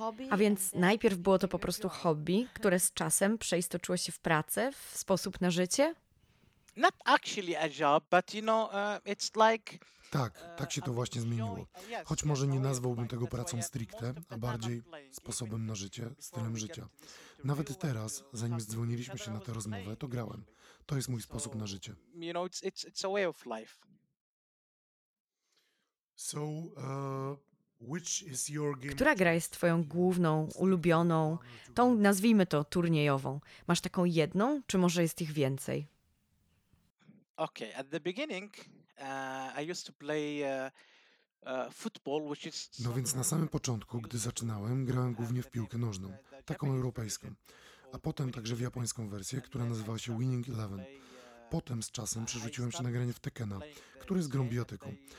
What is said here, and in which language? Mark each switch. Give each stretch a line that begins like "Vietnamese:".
Polish: A więc najpierw było to po prostu hobby, które z czasem przeistoczyło się w pracę, w sposób na życie?
English: Not actually a job, but you know, it's like...
Polish: Tak, tak się to właśnie zmieniło. Choć może nie nazwałbym tego pracą stricte, a bardziej sposobem na życie, stylem życia. Nawet teraz, zanim zdzwoniliśmy się na tę rozmowę, to grałem. To jest mój sposób na życie.
English: You know, it's a way of life. So, which is your game?
Polish: Która gra jest twoją główną, ulubioną, tą nazwijmy to turniejową? Masz taką jedną, czy może jest ich więcej?
English: Okay, at the beginning I used to play football, which is...
Polish: No więc na samym początku, gdy zaczynałem, grałem głównie w piłkę nożną, taką europejską, a potem także w japońską wersję, która nazywała się Winning Eleven. Potem z czasem przerzuciłem się na granie w Tekena, który jest grą bijatyką.